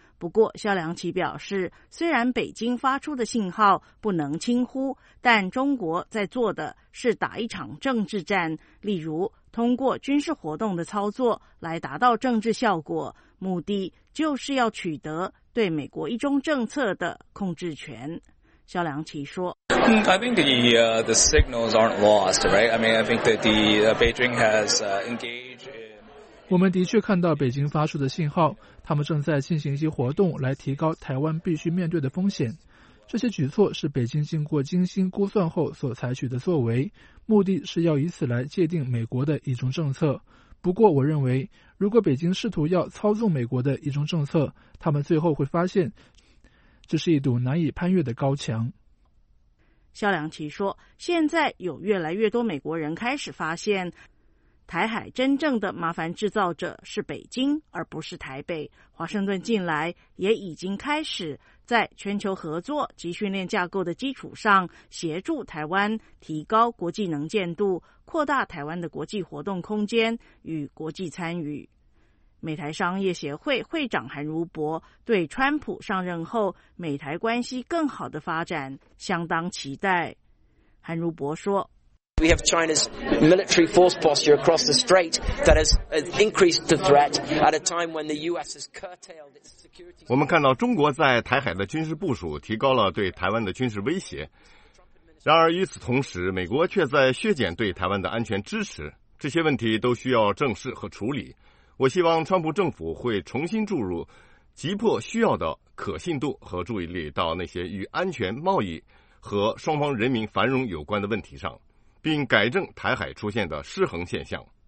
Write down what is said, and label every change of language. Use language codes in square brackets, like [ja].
[zh] 不过萧良奇表示，虽然北京发出的信号不能轻忽，但中国在做的是打一场政治战，例如通过军事活动的操作来达到政治效果，目的就是要取得对美国一中政策的控制权。萧良奇说， [en] I think the signals aren't lost, right? I mean, I think that Beijing has engaged in... [zh] 我们的确看到北京发出的信号，他们正在进行一些活动来提高台湾必须面对的风险。这些举措是北京经过精心估算后所采取的作为，目的是要以此来界定美国的一中政策。不过我认为，如果北京试图要操纵美国的一中政策，他们最后会发现这是一堵难以攀越的高墙。萧良奇说，现在有越来越多美国人开始发现台海真正的麻烦制造者是北京，而不是台北。华盛顿近来也已经开始在全球合作及训练架构的基础上，协助台湾提高国际能见度，扩大台湾的国际活动空间与国际参与。美台商业协会会长韩如博对川普上任后美台关系更好的发展相当期待。韩如博说， [en] We have China's military force posture across the strait that has increased the threat at a time when the U.S. has curtailed its security. [zh] 我们看到中国在台海的军事部署提高了对台湾的军事威胁。然而与此同时，美国却在削减对台湾的安全支持。这些问题都需要正视和处理。我希望川普政府会重新注入急迫需要的可信度和注意力到那些与安全、贸易和双方人民繁荣有关的问题上，并改正台海出现的失衡现象。